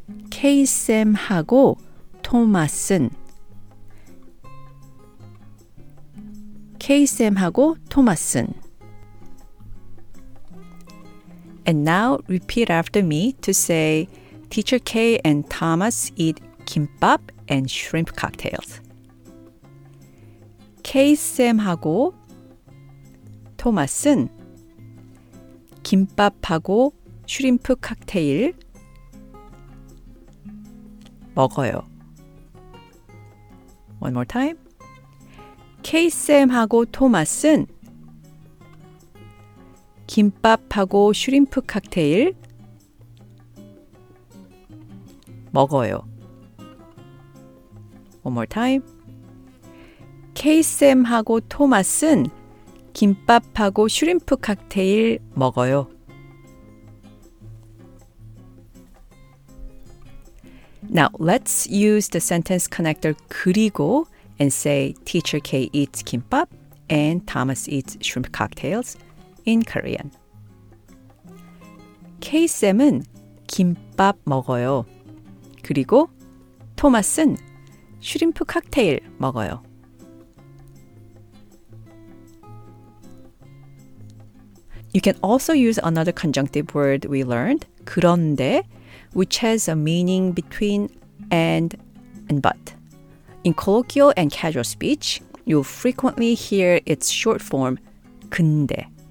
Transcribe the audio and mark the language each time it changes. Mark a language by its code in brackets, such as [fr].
[ko] K-쌤하고 토마슨 K-쌤하고 토마슨 [en] And now repeat after me to say teacher K and Thomas eat kimbap and shrimp cocktails. [ko] K-쌤하고 토마슨 김밥하고 슈림프 칵테일 먹어요. [en] One more time. [ko] K쌤하고 토마슨 김밥하고 슈림프 칵테일 먹어요. [en] One more time. [ko] 케이쌤하고 토마스는 김밥하고 슈림프 칵테일 먹어요. 그럼 [en] let's use the sentence connector 그리고 and say teacher K eats 김밥 and Thomas eats shrimp cocktails in Korean. [ko] K쌤은 김밥 먹어요. 그리고 토마스는 슈림프 칵테일 먹어요. [en] 그리고 You can also use another conjunctive word we learned, 그런데, which has a meaning between and but. In colloquial and casual speech, you'll frequently hear its short form, 근데.